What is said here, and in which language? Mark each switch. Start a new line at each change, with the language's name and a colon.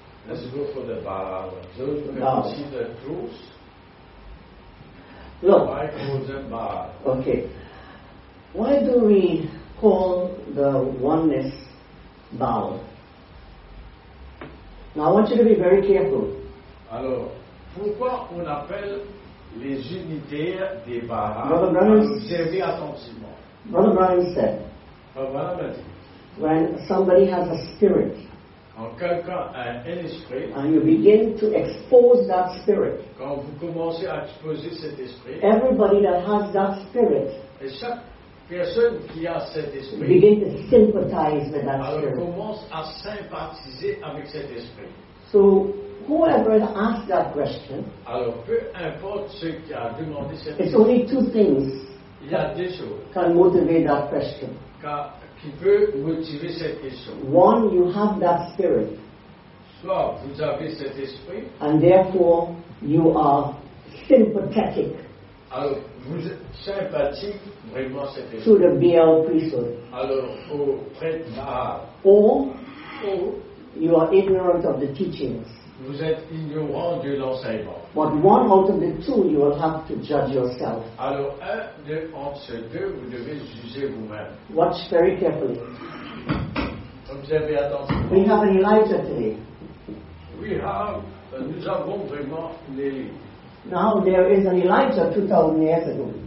English: Let's go for the Baal. Those who can see the truth, Look. Why Kumudjan Bar? Okay. Why do we call the oneness Bar? Now I want you to be very careful.
French: Alors, pourquoi on appelle les unités des Bar? Observez attentivement.
English: Brother Brian said, when somebody has a spirit,
French: quand quelqu'un a un esprit,
English: and you begin to expose that spirit,
French: quand vous commencez à exposer cet esprit,
English: everybody that has that spirit,
French: et chaque personne qui a cet esprit,
English: begin to sympathize with that
French: alors
English: spirit.
French: Commence à sympathiser avec cet esprit.
English: So, whoever asked that question,
French: alors peu importe ce qui a demandé cette
English: question, it's only two things.
French: Il y a deux choses
English: can motivate that question.
French: Qui peut motiver cette question.
English: One, you have that spirit.
French: Soit vous avez cet esprit.
English: And therefore, you are sympathetic.
French: Alors, vous êtes sympathique vraiment cet esprit.
English: To the BL priesthood.
French: Alors, au prêtre Baal.
English: Or, you are ignorant of the teachings.
French: Vous êtes ignorant de l'enseignement.
English: But one out of the two, you will have to judge yourself.
French: Alors, entre ces deux, vous devez juger vous-même.
English: Watch very carefully.
French: Observez attentivement.
English: We have an Elijah today. We have,
French: nous avons vraiment l'Élie.
English: Now there is an Elijah 2,000 years ago.